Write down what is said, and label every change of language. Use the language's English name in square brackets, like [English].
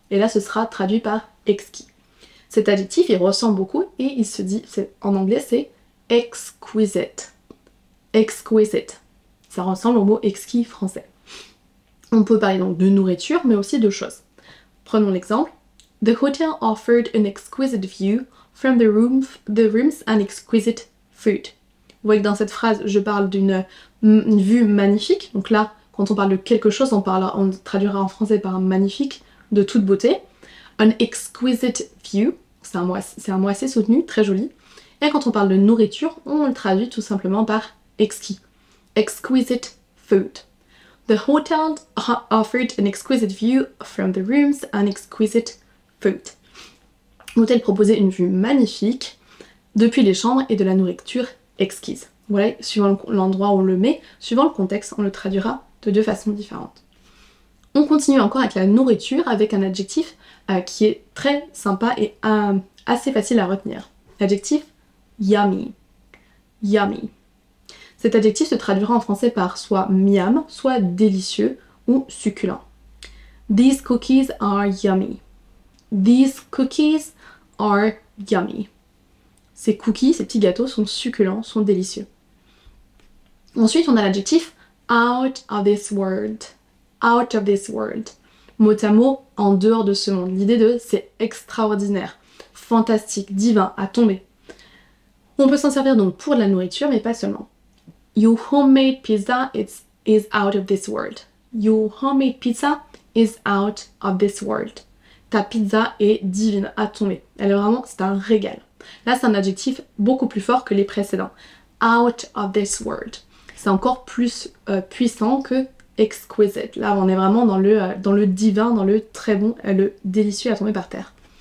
[French] Et là, ce sera traduit par exquis. Cet adjectif, il ressemble beaucoup et il se dit, en anglais, c'est exquisite. Exquisite. Ça ressemble au mot exquis français. On peut parler donc de nourriture, mais aussi de choses. Prenons l'exemple. [English] The hotel offered an exquisite view from the rooms and exquisite food. [French] Vous voyez que dans cette phrase, je parle d'une vue magnifique. Donc là, quand on parle de quelque chose, on traduira en français par magnifique, de toute beauté. [English] An exquisite view, [French] c'est un mot assez soutenu, très joli. Et quand on parle de nourriture, on le traduit tout simplement par exquis. [English] Exquisite food. The hotel offered an exquisite view from the rooms and exquisite food. [French] L'hôtel proposait une vue magnifique depuis les chambres et de la nourriture exquise. Voilà, suivant l'endroit où on le met, suivant le contexte, on le traduira de deux façons différentes. On continue encore avec la nourriture, avec un adjectif qui est très sympa et assez facile à retenir. L'adjectif yummy. Yummy. Cet adjectif se traduira en français par soit miam, soit délicieux ou succulent. [English] These cookies are yummy. These cookies are yummy. [French] Ces cookies, ces petits gâteaux sont succulents, sont délicieux. Ensuite, on a l'adjectif [English] out of this world. Out of this world. [French] Mot à mot, en dehors de ce monde. L'idée de c'est extraordinaire, fantastique, divin, à tomber. On peut s'en servir donc pour de la nourriture, mais pas seulement. [English] Your homemade pizza is out of this world. Your homemade pizza is out of this world. [French] Ta pizza est divine, à tomber. Elle est vraiment, c'est un régal. Là, c'est un adjectif beaucoup plus fort que les précédents. [English] Out of this world. [French] C'est encore plus puissant que exquisite. Là, on est vraiment dans le divin, dans le très bon, le délicieux à tomber par terre.